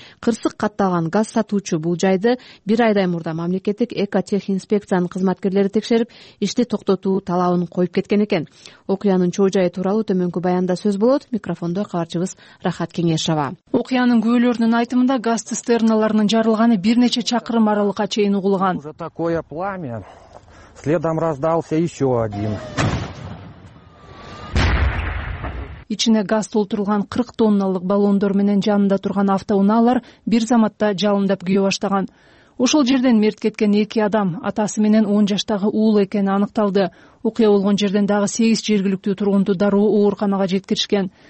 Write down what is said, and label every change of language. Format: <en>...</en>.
<ky>Кырсык катталган газ сатуучу бул жайды бир айдай мурда мамлекеттик экотехинспекциянын кызматкерлери текшерип, ишти токтотуу талабын коюп кеткен экен. Окуянын чоо жайы тууралуу төмөнкү баянда сөз болот. Микрофондо кабарчыбыз Рахат Кеңешова. Окуянын күбөлөрүнүн айтымында газ цистерналарынын жарылганы бир нече чакырым аралыкка чейин угулган.</ky> <ru>Уже такое пламя. Следом раздался еще один.</ru> <ky>Ичине газ толтурулган 40 тонналык баллондор менен жанында турган автоунаалар бир заматта жалындап күйө баштаган. Ошол жерден мерт кеткен 2 адам атасы менен 10 жаштагы уул экени аныкталды. Окуя болгон жерден дагы 8 жергиликтүү тургунду дароо ооруканага жеткиришкен.</ky>